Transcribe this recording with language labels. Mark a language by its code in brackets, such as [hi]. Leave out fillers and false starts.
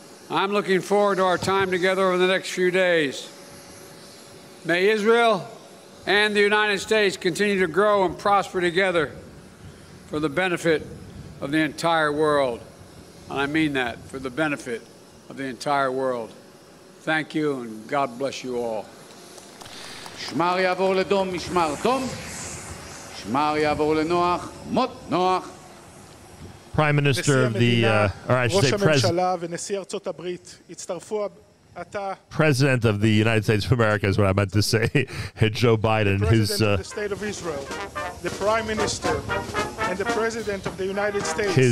[en] I'm looking forward to our time together over the next few days. May Israel and the United States continue to grow and prosper together for the benefit of the entire world. And I mean that, for the benefit of the entire world. Thank you, and God bless you all. [he] משמר יעבור לדום, משמר תום. משמר יעבור לנוח, מות נוח. [en] Prime Minister of the, or I should say President of the United States of America is what I meant to say. Joe Biden, The State of Israel, the Prime Minister, and the President of the United States.